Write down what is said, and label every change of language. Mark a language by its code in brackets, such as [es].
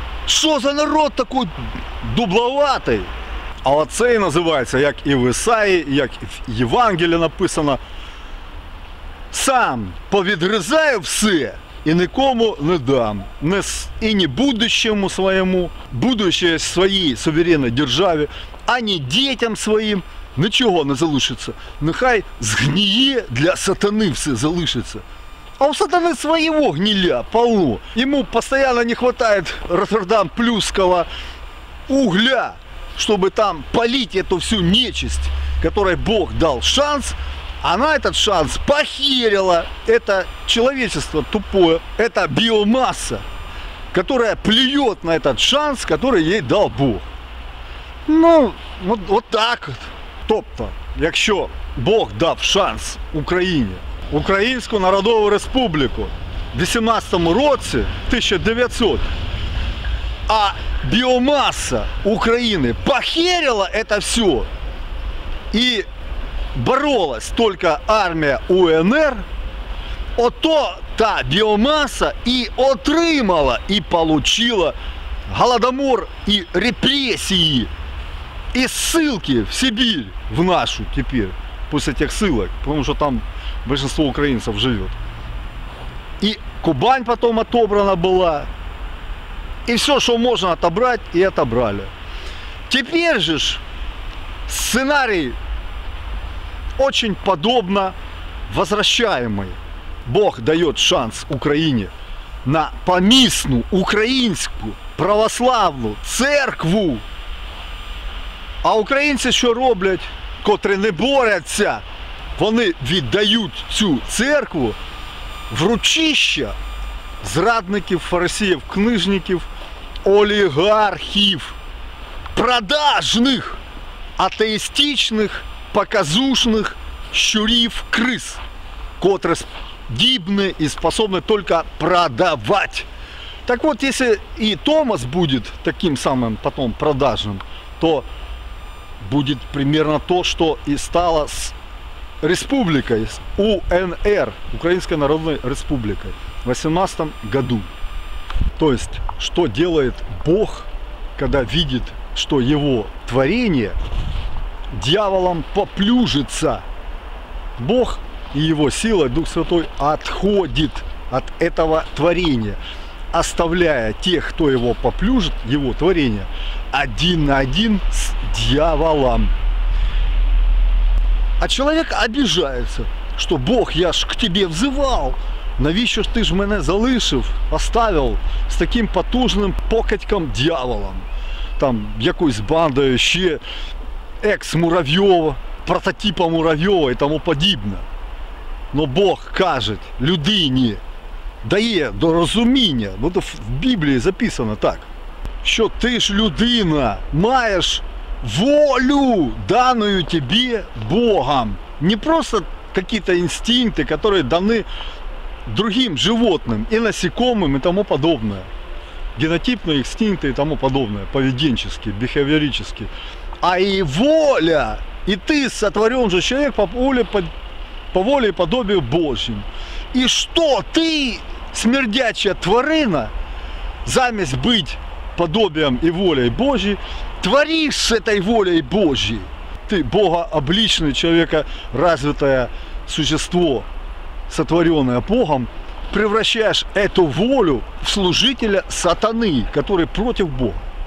[ru] Что за народ такой дубловатый? А вот это и называется, как и в Исаии, как и в Евангелии написано, сам [uk] повідрізаю [ru] все и никому не дам, и не будущему своему, будущее своей суверенной державе, а не детям своим ничего [uk] не залишится. Нехай сгниє для сатани все залишится. [ru] А у сатаны своего гниля полно. Ему постоянно не хватает Роттердам Плюсского угля, чтобы там полить эту всю нечисть, которой Бог дал шанс. Она этот шанс похерила. Это человечество тупое. Это биомасса, которая плюет на этот шанс, который ей дал Бог. Ну, вот так вот. [uk] Тобто, якщо Бог дав шанс Україні, Українську Народову Республіку в 18-му році, 1900, а біомаса України похерила це все і боролась тільки армія УНР, ото та біомаса і отримала, і отримала голодомор, і репресії, [ru] и ссылки в Сибирь, в нашу теперь, после этих ссылок, потому что там большинство украинцев живет. И Кубань потом отобрана была, и все, что можно отобрать, и отобрали. Теперь же сценарий очень подобно возвращаемый. Бог дает шанс Украине на помісну украинскую православную церкву. [uk] А українці що роблять, котрі не борються, вони віддають цю церкву в ручища зрадників, фарисеїв, книжників, олігархів, продажних, атеїстичних, показушних щурів, криз, котрі здібні і способні тільки продавати. Так от, якщо і Томас буде таким самим потім продажним, то [ru] будет примерно то, что и стало с республикой, с УНР, Украинской Народной Республикой, в 18 году. То есть, что делает Бог, когда видит, что его творение дьяволом поплюжится? Бог и его сила, Дух Святой, отходит от этого творения, оставляя тех, кто его поплюжит, его творение, один на один с дьяволом. А человек обижается, что Бог, я ж к тебе взывал, [uk] навіщо ж ты ж мене залишив, [ru] оставил с таким потужным покатьком дьяволом, там, [uk] якоюсь бандою, [ru] ще екс-Муравьева, прототипа Муравьева и [uk] тому подібне. Но Бог каже людині, дає до розуміння, вот в Біблії записано так, що ти ж людина, маєш волю, даною тобі Богом. Не просто якісь інстинкти, які дані другим животним, і насекомим, і тому подобне. Генотипні інстинкти і тому подобне, поведінчески, біхевіорически. А і воля, і ти сотворен же чоловік по волі і подобію Божьим. І що ти... [ru] Смердячая тварина, замість быть подобием и волей Божьей, творишь с этой волей Божьей. Ты богообличный, человека развитое существо, сотворенное Богом, превращаешь эту волю в служителя сатаны, который против Бога.